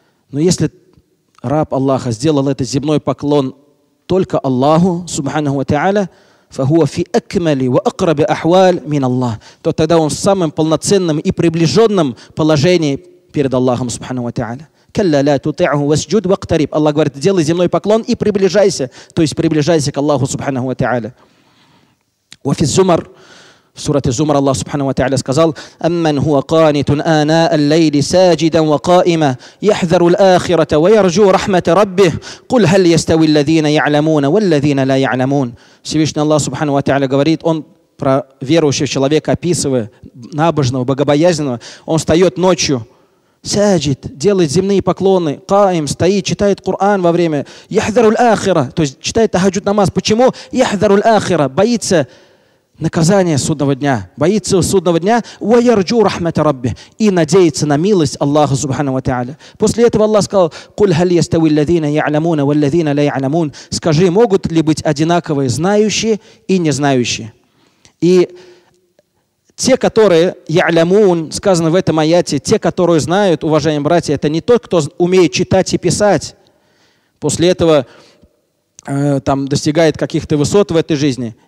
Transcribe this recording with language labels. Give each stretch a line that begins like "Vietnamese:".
Russian: Но если раб Аллаха сделал этот земной поклон только Аллаху, Субхану ва Тааля,
Arabic: فَهُوَ فِي أَكْمَلِ وَأَقْرَبِ أَحْوَالٍ مِنَ اللَّهِ,
Russian: то тогда он в самом полноценном и приближенном положении перед Аллахом, Субхану ва Тааля.
Arabic: كَلَّا لَا تُطِعْهُ وَسْجُدْ وَقْتَرِبْ.
Russian: Аллах говорит, делай земной поклон и приближайся, то есть приближайся к Аллаху, Субхану ва Тааля.
Arabic: وَفِي الزُّمَرْ,
Russian: в сурате Зумар Аллах, Субхану ва Тааля, сказал,
Arabic: أَمَّنْ هُوَ قَانِتٌ آنَاءَ اللَّيْلِ سَاجِدًا وَقَائِمًا يَحْذَرُ الْآخِرَةَ وَيَرْجُو رَحْمَةَ رَبِّهِ قُلْ هَلْ يَسْتَوِي الَّذِينَ يَعْلَمُونَ وَالَّذِينَ لَا يَعْلَمُونَ.
Russian: Всевышний Аллах, Субхану ва Тааля, говорит, он про верующего человека описывает, набожного, богобоязненного, он встает ночью, саджид, делает земные поклоны, каим, стоит, читает Коран во время,
Arabic: яхдару л-ахира,
Russian: то есть читает тахаджуд намаз. Почему?
Arabic: Яхдару л-ахира,
Russian: боится наказание судного дня. Боится судного дня.
Arabic: وَيَرْجُوا رَحْمَةَ رَبِّهِ.
Russian: И надеется на милость Аллаха, Субхану ва Тааля. После этого Аллах сказал,
Arabic: قُلْ هَلْ يَسْتَوِي الَّذِينَ يَعْلَمُونَ وَالَّذِينَ لَا يَعْلَمُونَ.
Russian: Скажи, могут ли быть одинаковые знающие и незнающие? И те, которые يَعْلَمُونَ, сказано в этом аяте, те, которые знают, уважаемые братья, это не тот, кто умеет читать и писать. После этого там достигает каких-то высот в этой жизни.